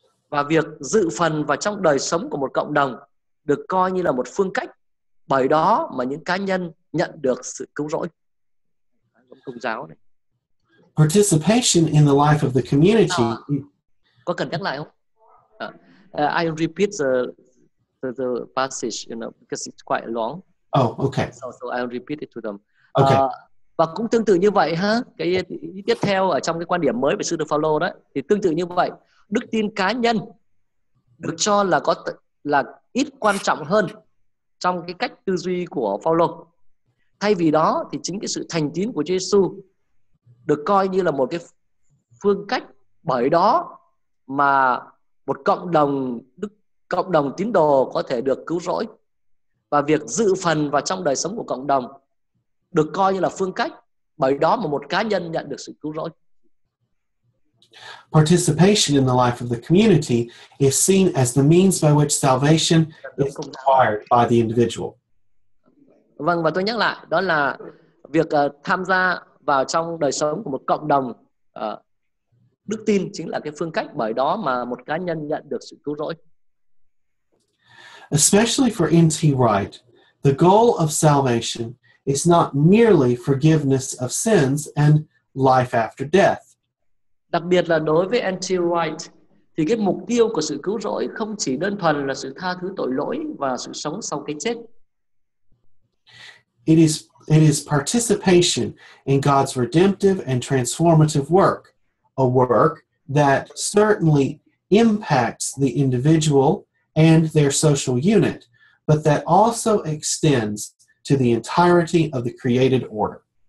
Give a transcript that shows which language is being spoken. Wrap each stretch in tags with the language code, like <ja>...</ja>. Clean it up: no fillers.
<vi>Và việc dự phần vào trong đời sống của một cộng đồng được coi như là một phương cách bởi đó mà những cá nhân nhận được sự cứu rỗi.</vi> <en>Participation in the life of the community.</en> <vi>Có cần nhắc lại không?</vi> <en>I repeat the the passage, you know, because it's quite long. Oh, okay. So I'll repeat it to them. Okay.</en> <vi>Và cũng tương tự như vậy ha, cái tiếp theo ở trong cái quan điểm mới về sư đồ Phaolô đó thì tương tự như vậy, đức tin cá nhân được cho là có là ít quan trọng hơn trong cái cách tư duy của Phaolô. Thay vì đó thì chính cái sự thành tín của Chúa Giêsu được coi như là một cái phương cách, bởi đó mà một cộng đồng đức cộng đồng tín đồ có thể được cứu rỗi, và việc dự phần vào trong đời sống của cộng đồng được coi như là phương cách, bởi đó mà một cá nhân nhận được sự cứu rỗi.</vi> <en>Participation in the life of the community is seen as the means by which salvation is acquired by the individual.</en> <vi>Vâng, và tôi nhắc lại, đó là việc tham gia vào trong đời sống của một cộng đồng, đức tin chính là cái phương cách, bởi đó mà một cá nhân nhận được sự cứu rỗi.</vi> <en>Especially for N.T. Wright, the goal of salvation is not merely forgiveness of sins and life after death.</en> <vi>Đặc biệt là đối với N.T. Wright, thì cái mục tiêu của sự cứu rỗi không chỉ đơn thuần là sự tha thứ tội lỗi và sự sống sau cái chết.</vi> <en>It is participation in God's redemptive and transformative work, a work that certainly impacts the individual and their social unit, but that also extends to the entirety of the created order.</en>